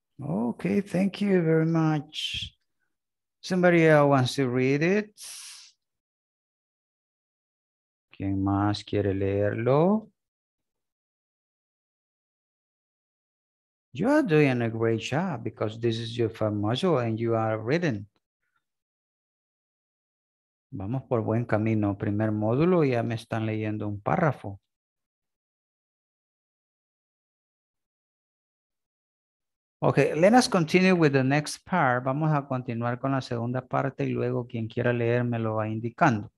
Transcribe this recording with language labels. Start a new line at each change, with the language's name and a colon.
English: Okay, thank you very much. Somebody else wants to read it?
Spanish: ¿Quién más quiere leerlo?
English: You are doing a great job because this is your first module and you are reading.
Spanish: Vamos por buen camino. Primer módulo, ya me están leyendo un párrafo.
English: Okay, let us continue with the next part.
Spanish: Vamos a continuar con la segunda parte y luego quien quiera leer me lo va indicando.